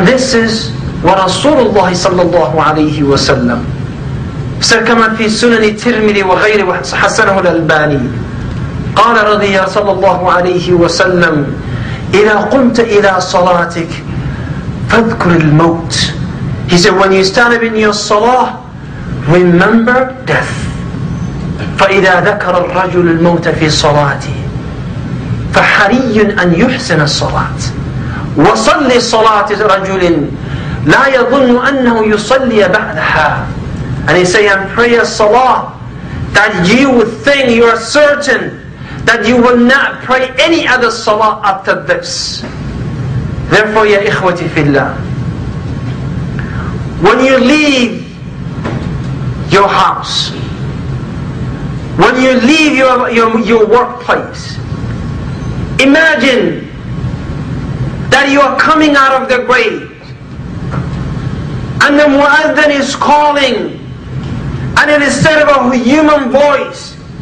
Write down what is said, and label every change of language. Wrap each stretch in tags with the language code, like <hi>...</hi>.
<en>And this is what Rasulullah sallallahu alayhi wa sallam said,</en> <ar>كما في سنن ترمذي وغيره وحسنه الألباني قال رضي صلى الله عليه وسلم إذا قمت إلى صلاتك فاذكر الموت.</ar> <en>He said, when you stand up in your salah, remember death.</en> <ar>فإذا ذكر الرجل الموت في صلاته فحري أن يحسن الصلاة وصلي صلاة رجل لا يظن أنه يصلي بعدها.</ar> <en>And he said, and pray a salah that you would think, you are certain that you will not pray any other salah after this. Therefore, ya ikhwati fillah, when you leave your house, when you leave your workplace, imagine that you are coming out of the grave and the muadhan is calling and it is said of a human voice.</en>